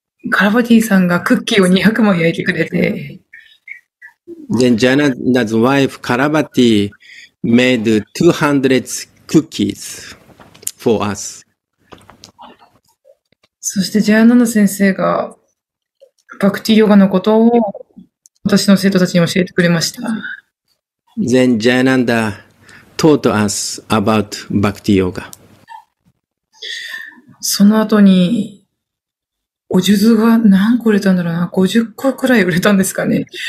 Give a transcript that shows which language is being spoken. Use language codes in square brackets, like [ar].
[ja] カラバティさんがクッキーを200枚焼いてくれて。 [en] Then Jayananda's wife Karabati made 200 cookies for us. [ja] そしてジャヤナンダ先生がバクティヨガのことを私の生徒たちに教えてくれました。 [en] Then Jayananda taught us about bhakti yoga. [ja] その後にお数珠が何個売れたんだろうな、50個くらい売れたんですかね。